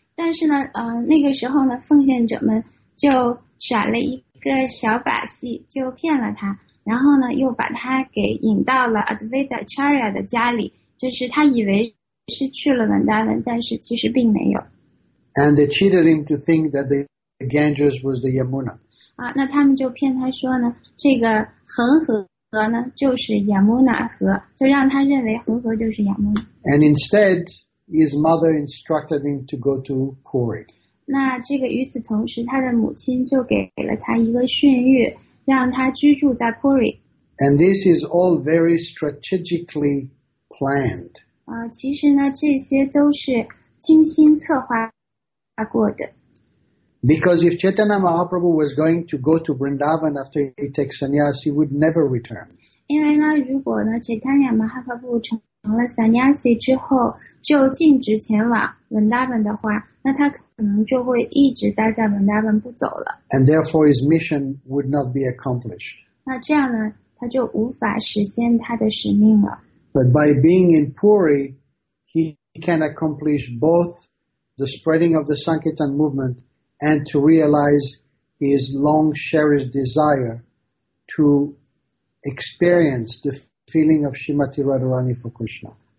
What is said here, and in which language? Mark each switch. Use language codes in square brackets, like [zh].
[zh] 但是呢，那个时候呢，奉献者们就耍了一个小把戏，就骗了他，然后呢，又把他给引到了 Advaita Acharya 的家里，就是他以为是去了Vrindavan，但是其实并没有。 [en] And they cheated him to think that the Ganges was the Yamuna. [zh] 那他们就骗他说呢，这个。恒河呢就是 Yamuna 河就让他认为恒河就是 Yamuna [en] And instead his mother instructed him to go to Puri [zh] 那这个与此同时他的母亲就给了他一个训谕让他居住在 Puri [en] And this is all very strategically planned [zh] 其实呢这些都是精心策划过的 [en] Because if Chaitanya Mahaprabhu was going to go to Vrindavan after he takes sannyas, he would never return. [zh] 因为呢，如果呢 ，Chaitanya Mahaprabhu 成了 sannyasi 之后，就径直前往 Vrindavan 的话，那他可能就会一直待在 Vrindavan 不走了。 [en] And therefore, his mission would not be accomplished. [zh] 那这样呢，他就无法实现他的使命了。 [en] But by being in Puri, he can accomplish both the spreading of the Sankirtan movement. And to realize his long cherished desire to experience the feeling of Srimati Radharani for Krishna.